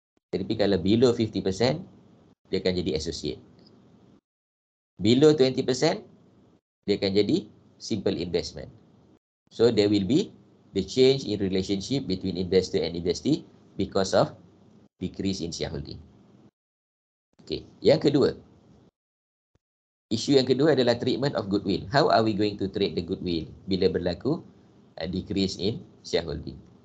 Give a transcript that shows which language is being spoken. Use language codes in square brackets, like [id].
[ms] Tetapi kalau below 50%, dia akan jadi associate. Below 20%, dia akan jadi simple investment. [en] So, there will be the change in relationship between investor and investee because of decrease in shareholding. [ms] Okay. Yang kedua. Isu yang kedua adalah treatment of goodwill. [en] How are we going to treat the goodwill [ms] bila berlaku [en] decrease in shareholding?